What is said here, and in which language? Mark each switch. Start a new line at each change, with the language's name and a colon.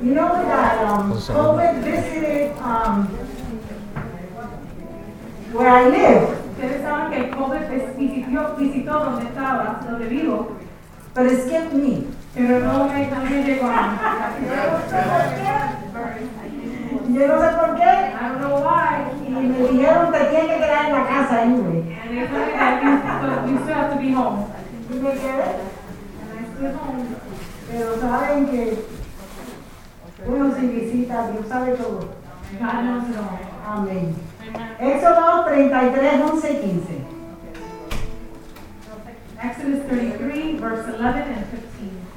English: You know that COVID visited where I live.
Spanish: Ustedes saben que COVID visitó donde estaba, donde vivo.
English: But it skipped me.
Spanish: Pero no me llegó a mí. Yo no sé por qué.
English: I don't know why.
Spanish: Y me dijeron que tiene que quedar en la casa, anyway.
English: And they told me that you still have to be home.
Spanish: ¿Y me quedé?
English: And I stay home.
Spanish: Pero saben que uno sin visita, Dios sabe todo.
English: God knows it all.
Spanish: Amén. Éxodo 33, 11 y 15.
English: Exodus 33, verse 11 and 15.